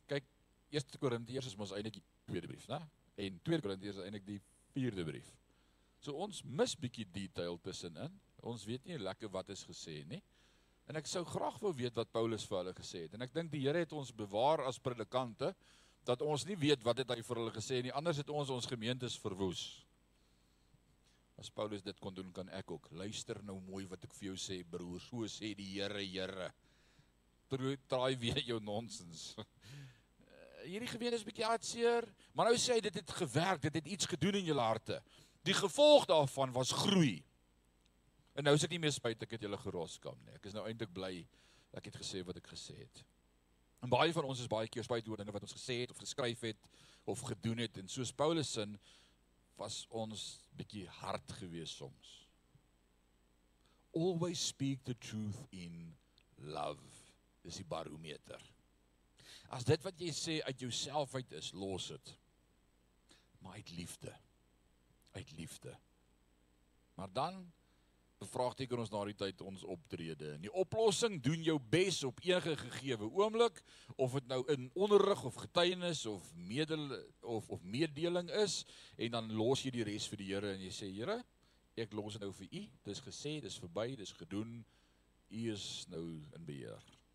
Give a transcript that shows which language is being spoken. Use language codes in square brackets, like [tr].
[af] Kyk, 1 Korintiërs is ons eintlik die tweede brief, né? En 2 Korintiërs is eintlik die vierde brief. So ons mis bietjie detail tussenin. Ons weet nie lekker wat is gesê nie. En ek sou graag wou weet wat Paulus vir hulle gesê het. En ek dink die Here het ons bewaar as predikante, dat ons nie weet wat het hy vir hulle gesê nie. Anders het ons gemeentes verwoes. As Paulus dit kon doen, kan ek ook. Luister nou mooi wat ek vir jou sê, broer. So sê die Here, Here. Draai weer jou nonsens. Hierdie gemeente is bietjie hartseer. Maar nou sê hy, dit het gewerk. Dit het iets gedoen in julle harte. Die gevolg daarvan was groei. En nou is ek nie meer spyt, ek het julle geroskam nie. Ek is nou eintlik bly, ek het gesê wat ek gesê het. En baie van ons is baie keer spyt oor dinge wat ons gesê het, of geskryf het, of gedoen het. En soos Paulus sin, was ons bietjie hard gewees soms. [en] Always speak the truth in love, [af] is die barometer. As dit wat jy sê uit jouself uit is, los het. Maar uit liefde. Maar dan bevraagteken ons na die tyd ons optrede. Die oplossing, doen jou bes op enige gegewe oomblik, of het nou in onderrig of getuienis of meedeling is, en dan los jy die rest vir die Here en jy sê, Here, ek los het nou vir u, dis gesê, dis verby, dis gedoen, u is nou in beheer.